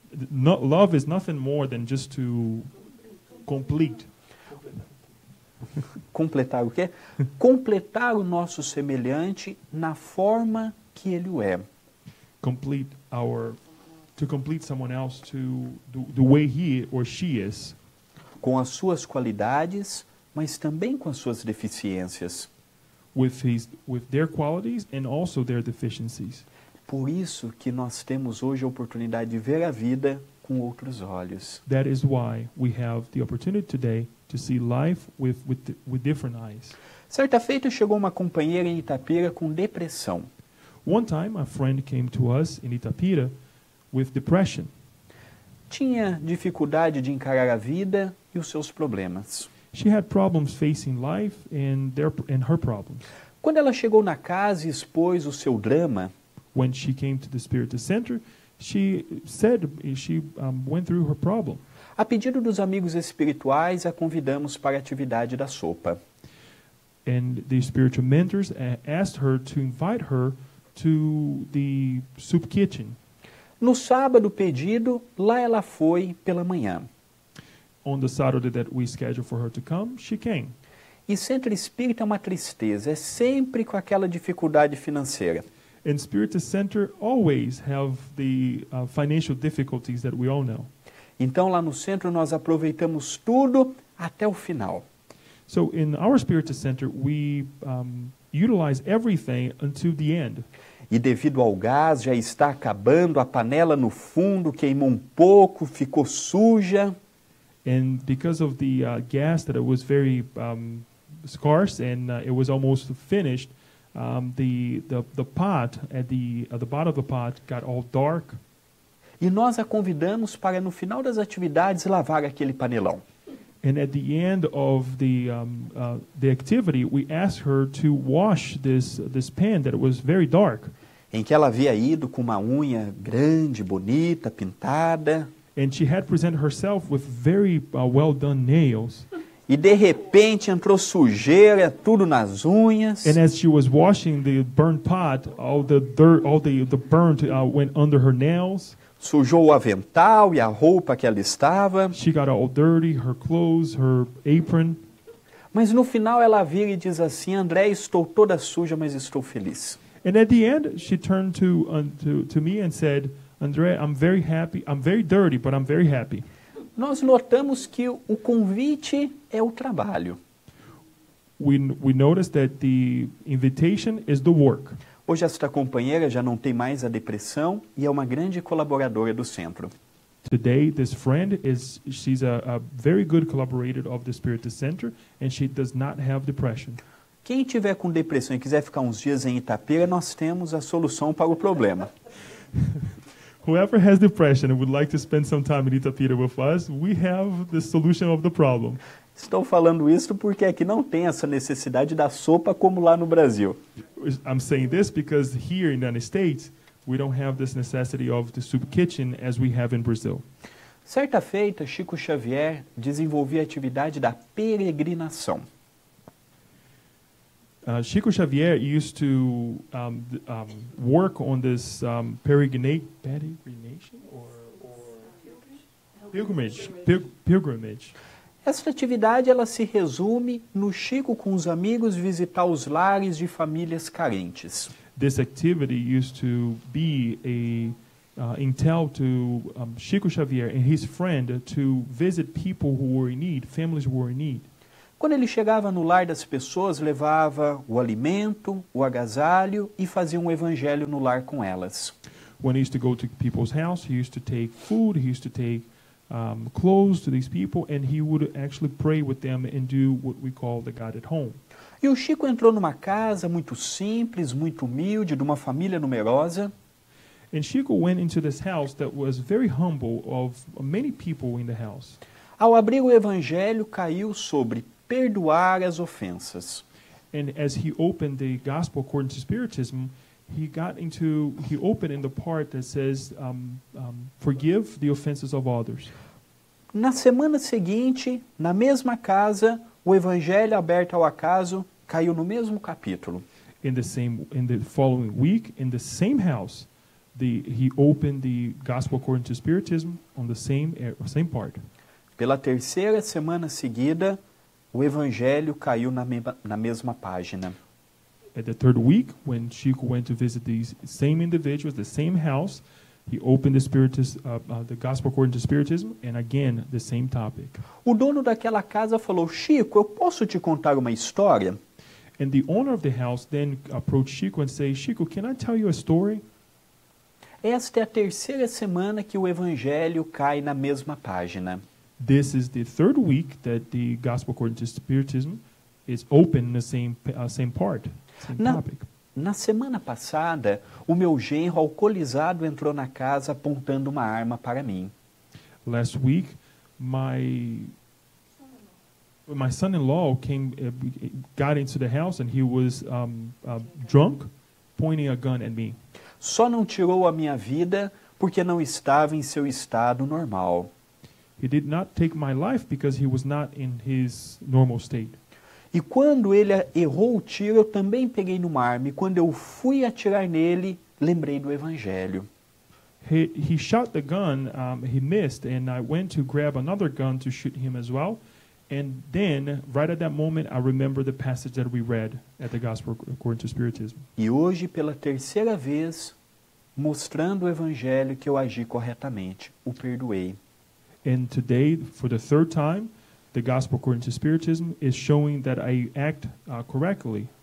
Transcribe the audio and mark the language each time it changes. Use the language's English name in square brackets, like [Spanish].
[English] Love is nothing more than just to complete. [Portuguese] Completar o quê? Completar o nosso semelhante na forma que ele o é. [English] To complete someone else to the way he or she is. [Portuguese] Com as suas qualidades, mas também com as suas deficiências. [English] With their qualities and also their deficiencies. [Portuguese] Por isso que nós temos hoje a oportunidade de ver a vida com outros olhos. [English] That is why we have the opportunity today to see life with different eyes. [Portuguese] Certa feita chegou uma companheira em Itapira com depressão. [English] One time a friend came to us in Itapira with depression. [Portuguese] Tinha dificuldade de encarar a vida e os seus problemas. [English] She had problems facing life and her problems. [Portuguese] Quando ela chegou na casa e expôs o seu drama, [English] when she came to the spiritual center, she said she went through her problem. [Portuguese] A pedido dos amigos espirituais, a convidamos para a atividade da sopa. [English] And the spiritual mentors asked her to invite her to the soup kitchen. [Portuguese] No sábado pedido, lá ela foi pela manhã. [English] On the Saturday that we scheduled for her to come, she came. [Portuguese] E centro espírita é uma tristeza, é sempre com aquela dificuldade financeira. [English] And spirit center always have the financial difficulties that we all know. [Portuguese] Então lá no centro nós aproveitamos tudo até o final. [English] So in our spirit center we utilize everything until the end. [Portuguese] E devido ao gás já está acabando, a panela no fundo queimou um pouco, ficou suja. [English] And because of the gas that it was very scarce and it was almost finished, the pot at the bottom of the pot got all dark. [Portuguese] E nós a convidamos para no final das atividades lavar aquele panelão. [English] And at the end of the activity, we asked her to wash this pan that was very dark. [Portuguese] Em que ela havia ido com uma unha grande, bonita, pintada. [English] And she had presented herself with very well done nails. [Portuguese] E de repente entrou sujeira, tudo nas unhas. [English] And as she was washing the burnt pot, all the dirt, all the burnt went under her nails. [Portuguese] Sujou o avental e a roupa que ela estava. [English] She got all dirty, her clothes, her apron. [Portuguese] Mas no final ela vira e diz assim: André, estou toda suja, mas estou feliz. [English] And at the end, she turned to me and said, André, I'm very happy. I'm very dirty, but I'm very happy. [Portuguese] Nós notamos que o convite é o trabalho. [English] We notice that the invitation is the work. [Portuguese] Hoje esta companheira já não tem mais a depressão e é uma grande colaboradora do centro. [English] Today this friend is she's a very good collaborator of the Spirit Center and she does not have depression. [Portuguese] Quem tiver com depressão e quiser ficar uns dias em Itapira, nós temos a solução para o problema. [English] Whoever has depression and would like to spend some time in Itapira with us, we have the solution of the problem. [Portuguese] Estou falando isso porque aqui não tem essa necessidade da sopa como lá no Brasil. [English] I'm saying this because here in the United States, we don't have this necessity of the soup kitchen as we have in Brazil. [Portuguese] Certa feita, Chico Xavier desenvolveu a atividade da peregrinação. [English] Chico Xavier used to work on this pilgrimage. [Portuguese] Essa atividade ela se resume no Chico com os amigos visitar os lares de famílias carentes. [English] This activity used to be a entail to Chico Xavier and his friend to visit people who were in need, families who were in need. [Portuguese] Quando ele chegava no lar das pessoas, levava o alimento, o agasalho e fazia um evangelho no lar com elas. [English] When he used to go to people's house, he used to take food, he used to take clothes to these people and he would actually pray with them and do what we call the God at home. [Portuguese] E o Chico entrou numa casa muito simples, muito humilde, de uma família numerosa. [English] And Chico went into this house that was very humble of many people in the house. [Portuguese] Ao abrir o evangelho, caiu sobre perdoar as ofensas. [English] And as he opened the gospel according to Spiritism, he opened in the part that says forgive the offenses of others. [Portuguese] Na semana seguinte, na mesma casa, o evangelho aberto ao acaso caiu no mesmo capítulo. [English] In the following week, in the same house, he opened the gospel according to Spiritism on the same part. [Portuguese] Pela terceira semana seguida, o evangelho caiu na mesma página. [English] At the third week, when Chico went to visit these same individuals, the same house, he opened the gospel according to Spiritism, and again, the same topic. [Portuguese] O dono daquela casa falou, Chico, eu posso te contar uma história? [English] And the owner of the house then approached Chico and said, Chico, can I tell you a story? [Portuguese] Esta é a terceira semana que o evangelho cai na mesma página. [English] This is the third week that the gospel according to Spiritism is open in the same part, same topic. [Portuguese] Na semana passada, o meu genro alcoolizado entrou na casa apontando uma arma para mim. [English] Last week, my son-in-law got into the house and he was drunk, pointing a gun at me. [Portuguese] Só não tirou a minha vida porque não estava em seu estado normal. [English] He did not take my life because he was not in his normal state. [Portuguese] E quando ele errou o tiro, eu também peguei numa arma. E quando eu fui atirar nele, lembrei do evangelho. [English] He shot the gun, he missed, and I went to grab another gun to shoot him as well. And then, right at that moment, I remember the passage that we read at the Gospel According to Spiritism. [Portuguese] E hoje, pela terceira vez, mostrando o Evangelho que eu agi corretamente, o perdoei. [English] And today, for the third time, the Gospel According to Spiritism is showing that I act correctly.